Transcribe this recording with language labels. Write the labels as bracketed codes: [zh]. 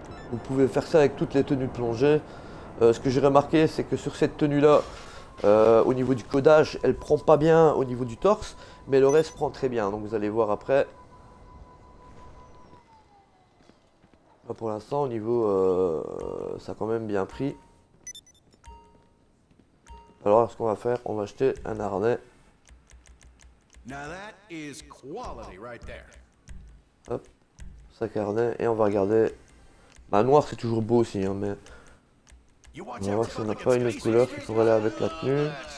[fr] Vous pouvez faire ça avec toutes les tenues de plongée. Ce que j'ai remarqué, c'est que sur cette tenue-là, au niveau du codage, elle prend pas bien au niveau du torse, mais le reste prend très bien. Donc vous allez voir après. Là, pour l'instant, au niveau, ça a quand même bien pris. Alors, ce qu'on va faire, on va acheter un harnais. [en] Now that is quality right there. [fr] Hop, sac harnais et on va regarder. Bah noir c'est toujours beau aussi, hein, mais on va voir si on n'a pas une autre couleur qui pourrait aller avec la tenue.